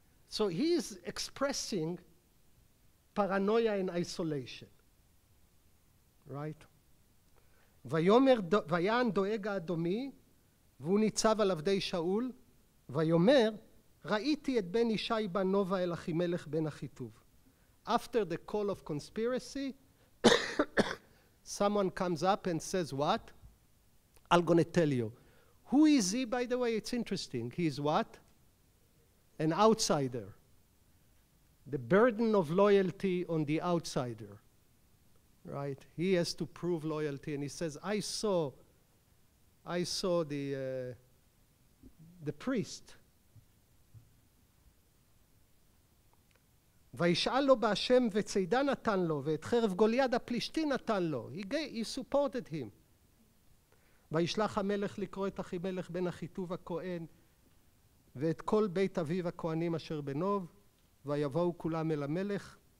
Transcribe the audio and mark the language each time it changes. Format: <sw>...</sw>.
<en>So he is expressing paranoia and isolation. Right?</en> <he>ויאמר, ויען דואג האדומי, והוא ניצב על עבדי שאול, ויאמר, ראיתי את בן ישי בנובה אל אחימלך בן החיטוב.</he> <en>After the call of conspiracy, someone comes up and says, what? I'm going to tell you. Who is he, by the way? It's interesting. He is what? an outsider. The burden of loyalty on the outsider, right? He has to prove loyalty, and he says, I saw the priest.</en> <he>וישאל לו בהשם וצידה נתן לו ואת חרב גוליאד הפלישתי נתן לו.</he> <en>He supported him.</en> <he>וישלח המלך לקרוא את אחי מלך בן החיטוב הכהן ואת כל בית אביו הכהנים אשר בנוב ויבואו כולם אל המלך.</he>